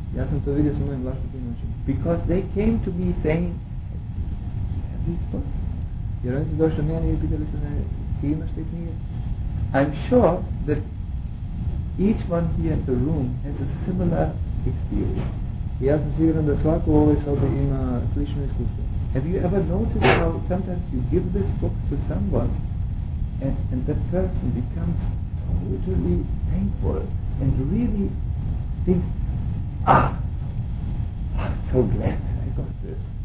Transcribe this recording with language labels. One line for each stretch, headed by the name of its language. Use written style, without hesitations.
Bosnian: Ja sam to vidio sa mojim vlastitim očima.
English: Because they came to me saying, "Have these books?"
Bosnian: Jer oni su došli meni i pitali su me, "Ti imaš te knjige?"
English: I'm sure that each one here in the room has a similar experience.
Bosnian: Ja sam siguran da svako u ovoj sobi ima slično iskustvo.
English: Have you ever noticed how sometimes you give this book to someone and that person becomes totally thankful and really thinks, "Ah, I'm so glad I got this."